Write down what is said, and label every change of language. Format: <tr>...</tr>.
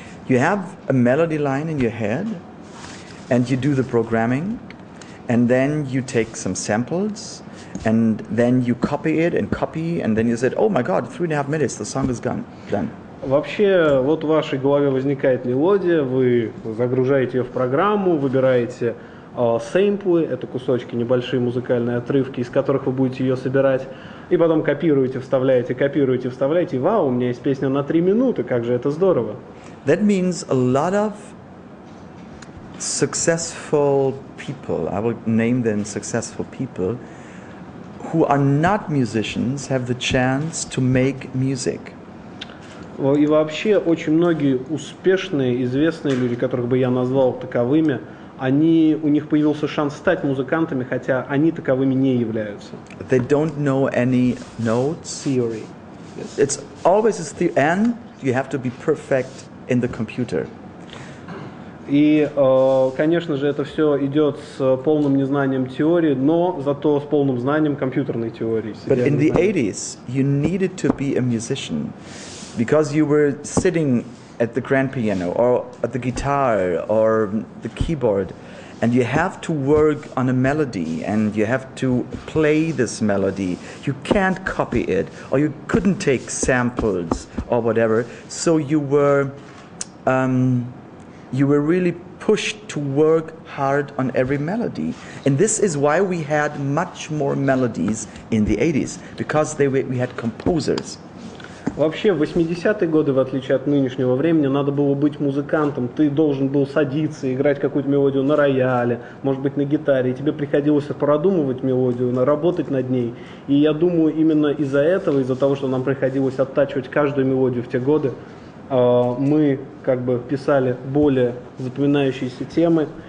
<en>You have a melody line in your head, and you do the programming, and then you take some samples, And then you copy it and copy, and then you said, oh my god, 3.5 minutes, the song is gone, done.</en> <ru>Вообще, вот в вашей голове возникает мелодия, вы загружаете ее в программу, выбираете сэмплы, это кусочки, небольшие музыкальные отрывки, из которых вы будете ее собирать, и потом копируете, вставляете, и вау, у меня есть песня на 3 минуты, как же это здорово.</ru> <en>That means a lot of successful people, I will name them successful people, who are not musicians, have the chance to make music.</en> <ru>И вообще очень многие успешные, известные люди, которых бы я назвал таковыми, они, у них появился шанс стать музыкантами, хотя они таковыми не являются.</ru> <en>They don't know any notes. Theory. It's always a theory, and you have to be perfect in the computer.</en> <ru>И, конечно же, это все идет с полным незнанием теории, но зато с полным знанием компьютерной теории.</ru> <en>But in the 80s, you needed to be a musician. Because you were sitting at the grand piano, or at the guitar, or the keyboard, and you have to work on a melody, and you have to play this melody. You can't copy it, or you couldn't take samples, or whatever. So you were really pushed to work hard on every melody. And this is why we had much more melodies in the 80s, because we had composers.</en> <ru>Вообще, в 80-е годы, в отличие от нынешнего времени, надо было быть музыкантом. Ты должен был садиться, играть какую-то мелодию на рояле, может быть, на гитаре. И тебе приходилось продумывать мелодию, работать над ней. И я думаю, именно из-за этого, из-за того, что нам приходилось оттачивать каждую мелодию в те годы, мы как бы писали более запоминающиеся темы.</ru>